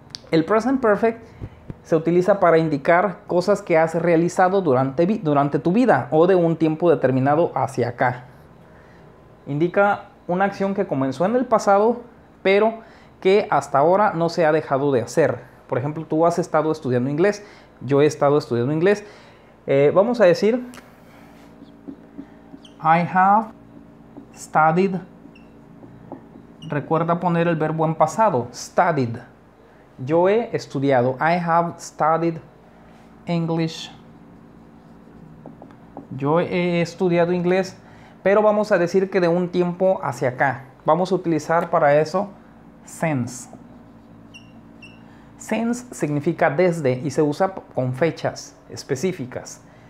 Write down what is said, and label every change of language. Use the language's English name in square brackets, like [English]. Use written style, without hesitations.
[Spanish] El present perfect se utiliza para indicar cosas que has realizado durante tu vida o de un tiempo determinado hacia acá. Indica una acción que comenzó en el pasado, pero que hasta ahora no se ha dejado de hacer. Por ejemplo, tú has estado estudiando inglés. Yo he estado estudiando inglés. Vamos a decir, [English] I have studied. [Spanish] Recuerda poner el verbo en pasado. [English] Studied. [Spanish] Yo he estudiado. [English] I have studied English. [Spanish] Yo he estudiado inglés. Pero vamos a decir que de un tiempo hacia acá. Vamos a utilizar para eso Since significa desde y se usa con fechas específicas.